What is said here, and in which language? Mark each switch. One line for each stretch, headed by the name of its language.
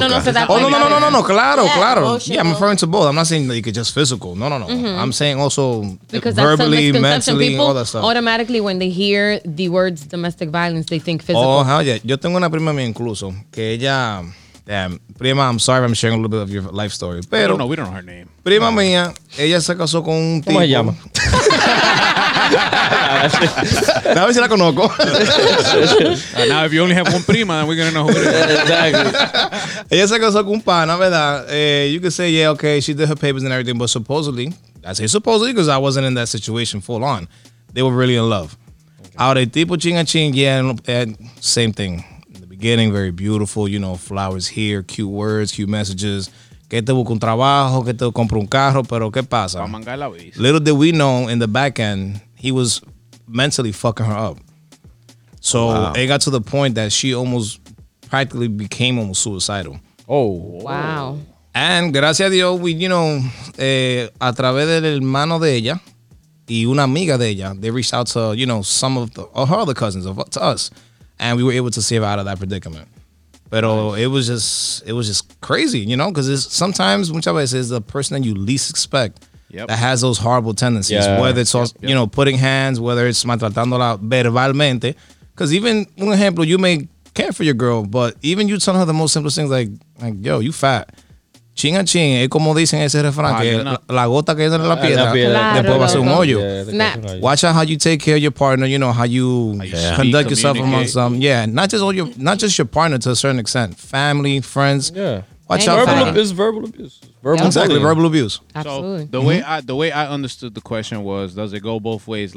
Spanish: No, claro.
English: Yeah, I'm referring to both. I'm not saying that you could just physical. No. Mm-hmm. I'm saying also because verbally, that's a misconception. Mentally, people all that stuff. Automatically, when they hear the words domestic violence, they think physical. Oh, hell yeah.
Spanish: Yo tengo una prima mía incluso, que ella...
English: Damn. Prima, I'm sorry if I'm sharing a little bit of your life story.
Spanish: Pero,
English: no, we don't know her name.
Spanish: Prima mía, ella se casó con un tipo... ¿Cómo se llama? A ver si la conozco.
English: Now, if you only have one prima, then we're going to know who it is. Exactly.
Spanish: Ella se casó con un pana, ¿verdad?
English: You could say, yeah, okay, she did her papers and everything, but supposedly, I say supposedly because I wasn't in that situation full on, they were really in love. Okay.
Spanish: Ahora, el tipo chinga ching,
English: yeah, and same thing. In the beginning, very beautiful, you know, flowers here, cute words, cute messages.
Spanish: Que te busco un trabajo, que te compro un carro, pero ¿qué pasa?
English: Little did we know, in the back end, he was mentally fucking her up. So wow. It got to the point that she almost practically became almost suicidal. Oh. Wow. And
Spanish: gracias a Dios,
English: we, you know,
Spanish: a través del hermano de ella
English: y una amiga de ella, they reached out to, you know, some of the, or her other cousins, of, to us. And we were able to save her out of that predicament. Pero nice. it was just crazy, you know, because sometimes,
Spanish: muchas veces,
English: it's the person that you least expect. Yep. That has those horrible tendencies, yeah. Whether it's, yep. You know, putting hands, whether it's
Spanish: maltratándola verbalmente.
English: Because even,
Spanish: un ejemplo,
English: you may care for your girl, but even you tell her the most simplest things like, yo, you fat.
Spanish: Chinga ching, es como dicen ese refrán, que la gota que entra en la piedra, después va a ser un hoyo.
English: Watch out how you take care of your partner, you know, how you conduct yourself amongst them. Yeah, not just your partner to a certain extent, family, friends. Yeah. Watch out for that. It's verbal abuse. Verbal exactly, bullying. Verbal abuse. Absolutely. So the way I understood the question was, does it go both ways?